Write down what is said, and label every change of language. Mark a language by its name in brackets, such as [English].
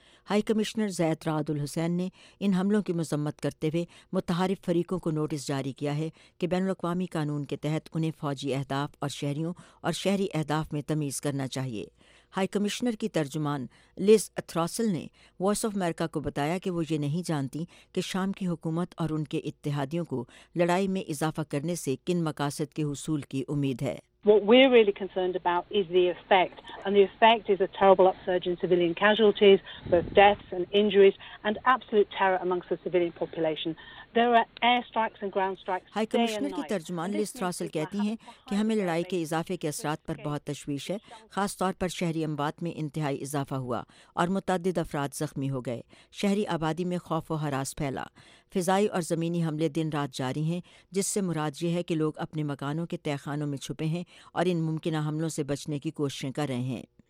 [Urdu] High commissioner زید راد الحسین نے ان حملوں کی مذمت کرتے ہوئے متحارف فریقوں کو نوٹس جاری کیا ہے کہ بین الاقوامی قانون کے تحت انہیں فوجی اہداف اور شہریوں اور شہری اہداف میں تمیز کرنا چاہیے۔ ہائی کمشنر کی ترجمان لیز اتھراسل نے وائس آف امریکہ کو بتایا کہ وہ یہ نہیں جانتی کہ شام کی حکومت اور ان کے اتحادیوں کو لڑائی میں اضافہ کرنے سے کن مقاصد کے حصول کی امید ہے۔ [English] What we're really concerned about is the effect, and the effect is a terrible upsurge in civilian casualties, both deaths and injuries, and absolute terror amongst the civilian population. There are air strikes and ground strikes. [Urdu] High commissioner کی ترجمان lease تھراسل کہتی ہیں کہ ہمیں لڑائی کے اضافے کے اثرات پر بہت تشویش ہے، خاص طور پر شہری اموات میں انتہائی اضافہ ہوا اور متعدد افراد زخمی ہو گئے، شہری آبادی میں خوف و ہراس پھیلا، فضائی اور زمینی حملے دن رات جاری ہیں، جس سے مراد یہ ہے کہ لوگ اپنے مکانوں کے تہ خانوں میں چھپے ہیں اور ان ممکنہ حملوں سے بچنے کی کوششیں کر رہے ہیں۔